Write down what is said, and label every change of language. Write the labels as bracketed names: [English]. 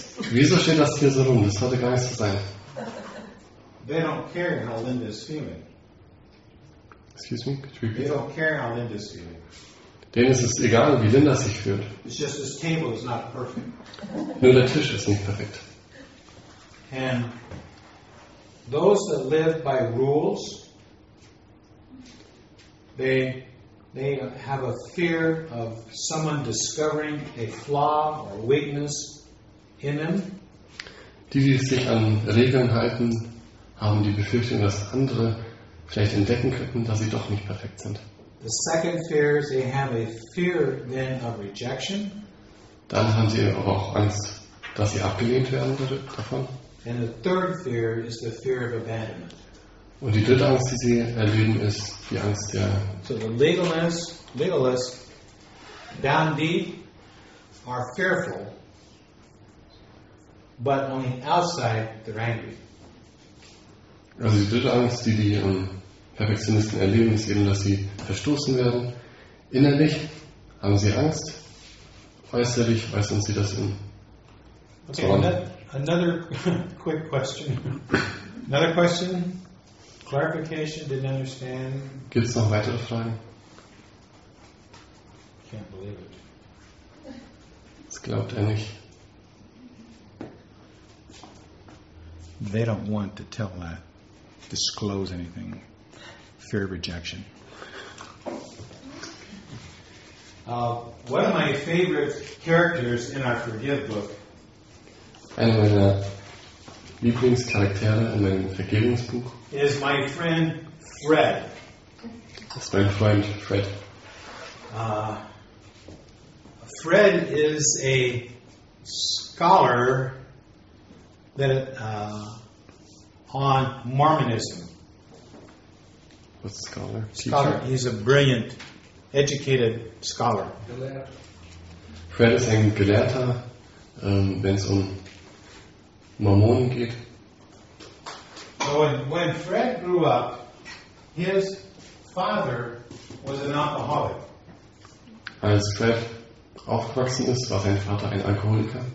[German] Wieso steht das hier so rum? Das sollte gar nicht so sein. [English] They don't care how Linda is feeling. Excuse me? Could you repeat? They don't care how Linda is feeling. [German] Denen ist es egal, wie Linda sich fühlt. [English] It's just this table is not perfect. [German] Nur der Tisch ist nicht perfekt. [English] And those that live by rules, they have a fear of someone discovering a flaw or weakness in them. [German] Die sich an Regeln halten, haben die Befürchtung, dass andere vielleicht entdecken könnten, dass sie doch nicht perfekt sind. [English] The second fear is they have a fear then of rejection. [German] Dann haben sie aber auch Angst, dass sie abgelehnt werden davon. [English] And the third fear is the fear of abandonment. [German] Und die dritte Angst, die sie erleben, ist die Angst der. [English] So the legalists down deep are fearful, but on the outside they're angry. [German] Also die dritte Angst, die die Perfektionisten erleben, ist eben, dass sie verstoßen werden. Innerlich haben sie Angst, äußerlich äußern sie das in Zorn. [English] Okay, another quick question. Another question? Clarification, didn't understand. [German] Gibt es noch weitere Fragen? [English] I can't believe it. [German] Das glaubt er nicht. [English] They don't want to tell that, disclose anything. Fear of rejection. One of my favorite characters in our Forgive book. [German] Einer meiner Lieblingscharaktere in meinem Vergebungsbuch. [English] Is my friend Fred. [German] Ist mein Freund Fred. [English] Fred is a scholar that on Mormonism. What's scholar? Scholar. Teacher? He's a brilliant, educated scholar. [German] Fred ist ein Gelehrter, wenn es um Mormonen geht. [English] So when Fred grew up, his father was an alcoholic. [German] Als Fred aufgewachsen ist, war sein Vater ein Alkoholiker.